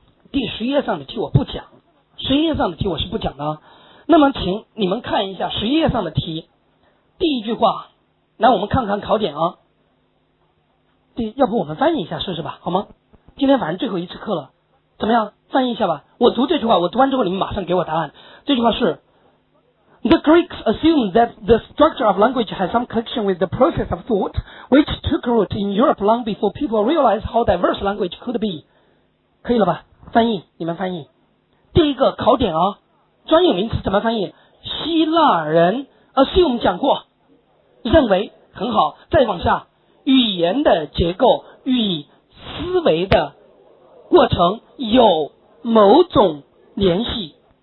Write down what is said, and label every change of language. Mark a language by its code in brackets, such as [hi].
[zh] 第11页上的题我不讲，11页上的题我是不讲的。那么请你们看一下11页上的题，第一句话，来我们看看考点啊。第，要不我们翻译一下试试吧，好吗？今天反正最后一次课了，怎么样？翻译一下吧。我读这句话，我读完之后你们马上给我答案。这句话是 [en] The Greeks assumed that the structure of language has some connection with the process of thought, which took root in Europe long before people realized how diverse language could be. [zh] 可以了吧？翻译，你们翻译。第一个考点啊，专有名词怎么翻译？希腊人 assume 讲过，认为，很好。再往下，语言的结构与思维的过程有某种联系。